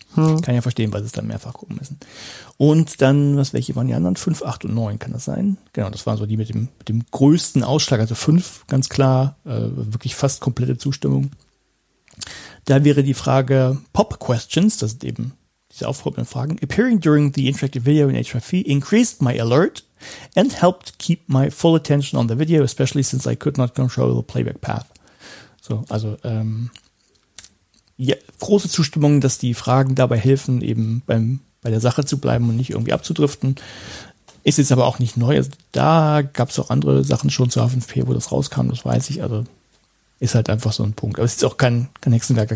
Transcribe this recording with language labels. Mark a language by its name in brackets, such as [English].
[German] Kann ja verstehen, weil sie es dann mehrfach gucken müssen. Und dann, welche waren die anderen? 5, 8 und 9, kann das sein? Genau, das waren so die mit dem größten Ausschlag. Also 5, ganz klar, wirklich fast komplette Zustimmung. Da wäre die Frage Pop-Questions, das sind eben diese aufpoppenden Fragen. [English] Appearing during the interactive video in H5P increased my alert and helped keep my full attention on the video, especially since I could not control the playback path. [German] So, also, ja, große Zustimmung, dass die Fragen dabei helfen, eben bei der Sache zu bleiben und nicht irgendwie abzudriften. Ist jetzt aber auch nicht neu. Also da gab es auch andere Sachen schon zu H5P, wo das rauskam, das weiß ich. Also ist halt einfach so ein Punkt. Aber es ist auch kein Hexenwerk.